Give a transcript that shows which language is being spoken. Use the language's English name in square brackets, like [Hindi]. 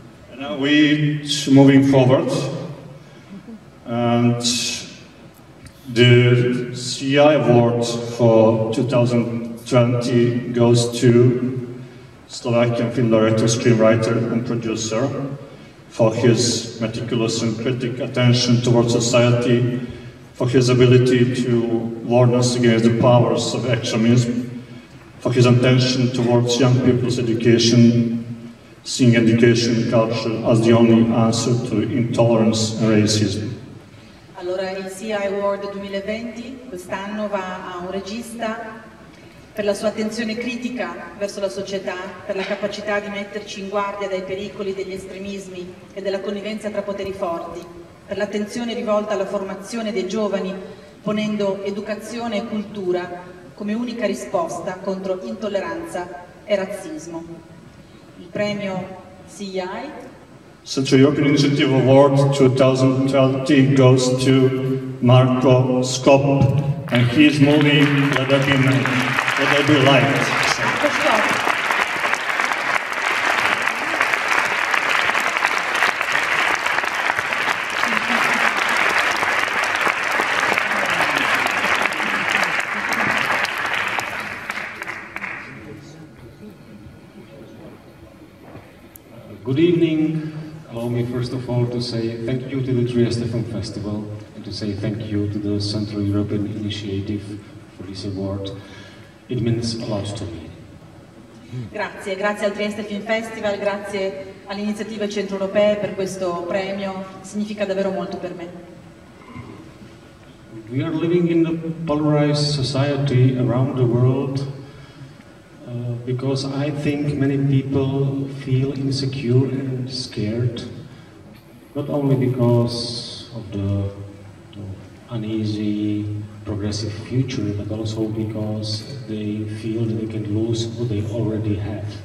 [English] And now we're moving forward. And the CEI Award for 2020 goes to Slovakian film director, screenwriter and producer for his meticulous and critical attention towards society, for his ability to warn us against the powers of extremism, for his attention towards young people's education, seeing education and culture as the only answer to intolerance and racism. [Italian] Allora, il CEI Award 2020 quest'anno va a un regista per la sua attenzione critica verso la società, per la capacità di metterci in guardia dai pericoli degli estremismi e della connivenza tra poteri forti, per l'attenzione rivolta alla formazione dei giovani, ponendo educazione e cultura come unica risposta contro intolleranza e razzismo. Il premio CEI. [English] Central European Initiative Award 2020 goes to Marko Skop and his movie Let There Be Light. Good evening. Allow me first of all to say thank you to the Trieste Film Festival and to say thank you to the Central European Initiative for this award. It means a lot to me. [Italian] Grazie al Trieste Film Festival, grazie all'iniziativa Centro Europea per questo premio. Significa davvero molto per me. [English] We are living in a polarized society around the world because I think many people feel insecure and scared, not only because of the uneasy progressive future, but also because they feel that they can lose what they already have.